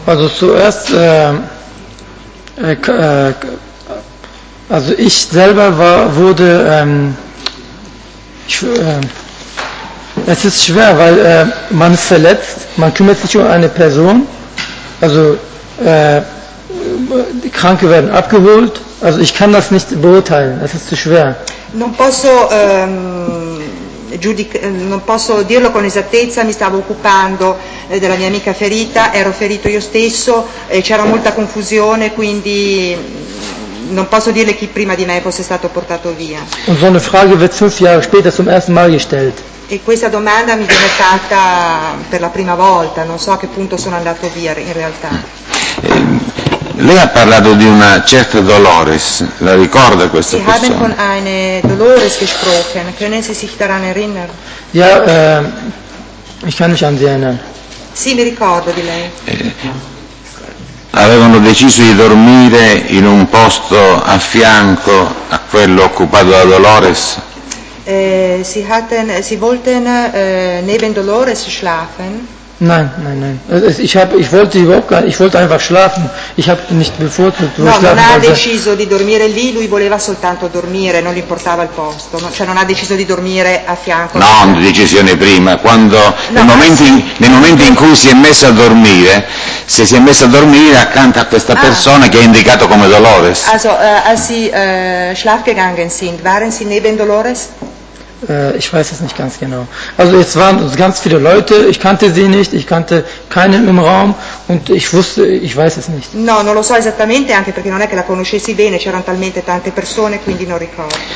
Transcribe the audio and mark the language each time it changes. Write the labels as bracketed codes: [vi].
[de] Also zuerst, also ich selber wurde, es ist schwer, weil man ist verletzt, man kümmert sich um eine Person, also die Kranke werden abgeholt. Also ich kann das nicht beurteilen, es ist zu schwer. [it] Non posso non posso dirlo con esattezza, mi stavo occupando della mia amica ferita, ero ferito io stesso, c'era molta confusione, quindi non posso dirle chi prima di me fosse stato portato via. [de] Und so eine Frage wird 5 Jahre später zum ersten Mal gestellt. [it] E questa domanda mi viene fatta per la prima volta, non so a che punto sono andato via in realtà. Lei ha parlato di una certa Dolores, la ricorda questa [de] Sie [it] persona? [de] Sie haben von einer Dolores gesprochen, können Sie sich daran erinnern? Ja, ich kann mich an sie erinnern. [it] Sì, mi ricordo di lei. Avevano deciso di dormire in un posto a fianco a quello occupato da Dolores? [de] Sie wollten neben Dolores schlafen. Nein, nein, nein. Ich wollte einfach schlafen. Ich habe nicht bevorzugt. [it] No, non ha deciso di dormire lì, lui voleva soltanto dormire, non gli importava il posto. No, cioè non ha deciso di dormire a fianco. No, una decisione prima. Quando nel momento in cui si è messo a dormire, se si è messo a dormire accanto a questa persona che ha indicato come Dolores. [de] Also, als sie schlafgegangen sind, waren sie neben Dolores? Ich weiß es nicht ganz genau. Also jetzt waren ganz viele Leute, ich kannte sie nicht, ich kannte keinen im Raum und ich weiß es nicht. [it] No, non lo so esattamente, anche perché non è che la conoscessi bene, c'erano talmente tante persone, quindi non ricordo.